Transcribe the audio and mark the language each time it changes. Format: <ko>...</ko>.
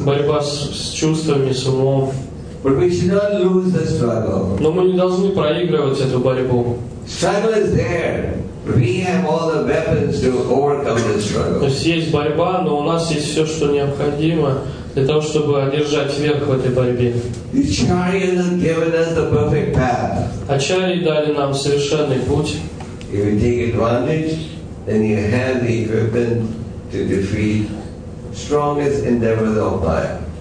<ru>Борьба с чувствами, с умом.</ru> <en>But we should not lose the struggle.</en> <ru>Но мы не должны проигрывать эту борьбу.</ru> <en>Struggle is there. We have all the weapons to overcome the struggle.</en> <ru>То есть есть борьба, но у нас есть все, что необходимо для того, чтобы одержать верх в этой борьбе.</ru> <en>Acharyas have given us the perfect path.</en> <ru>Ачарьи дали нам совершенный путь.</ru> <en>If you take advantage, then you have the equipment to defeat strongest endeavors of Maya.</en>